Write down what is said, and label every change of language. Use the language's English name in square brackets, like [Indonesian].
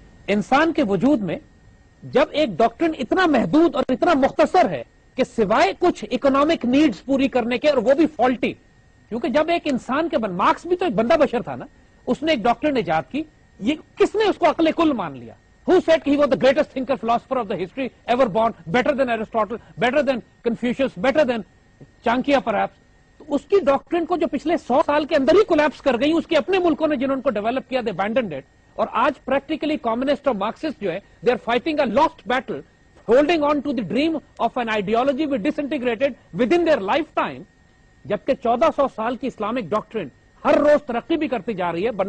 [Hindi] इंसान के वजूद में जब एक डॉक्ट्रिन इतना महदूद और इतना मुख्तसर है कि सिवाय कुछ इकोनॉमिक नीड्स पूरी करने के, और वो भी फॉल्टी, क्योंकि जब एक इंसान के मार्क्स भी तो एक बंदा बशर था ना, उसने एक डॉक्ट्रिन इजाद की, ये किसने उसको अकले कुल मान लिया? [English] Who said he was the greatest thinker, philosopher of the history ever born, better than Aristotle, better than Confucius, better than Chankia perhaps? [Hindi] उसकी डॉक्ट्रिन को जो पिछले 100 साल के अंदर ही कोलैप्स कर गई, उसके अपने मुल्कों ने जिन्होंने डेवलप किया [English] they abandoned it, [Hindi] और आज प्रैक्टिकली कम्युनिस्ट और मार्क्सिस्ट जो है [English] they are fighting a lost battle holding on to the dream of an ideology with disintegrated with in their life time, [Hindi] जबकि 1400 साल की इस्लामिक डॉक्ट्रिन हर रोज तरक्की भी करती जा रही है।